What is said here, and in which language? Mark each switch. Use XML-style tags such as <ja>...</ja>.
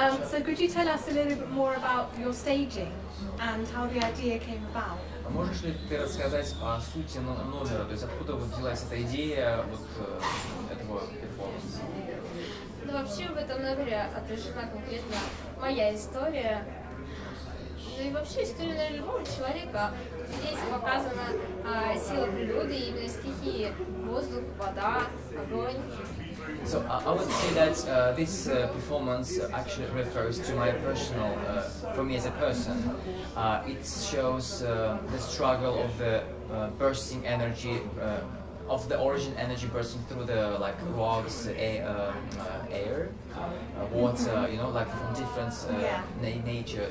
<en>So could you tell us a little bit more about your staging and how the idea came about?</en> <ru>Можешь ли ты рассказать о сути номера, то есть откуда вот взялась эта идея вот этого перформанса? Ну вообще в этом номере отражена конкретно моя история. Ну и вообще история любого человека. Здесь показана сила природы, именно стихии воздух, вода, огонь.</ru> <en>So I would say that this performance actually refers to my personal, for me as a person. It shows the struggle of the bursting energy, of the origin energy bursting through the like rocks, air, water, you know, like from different nature.</en>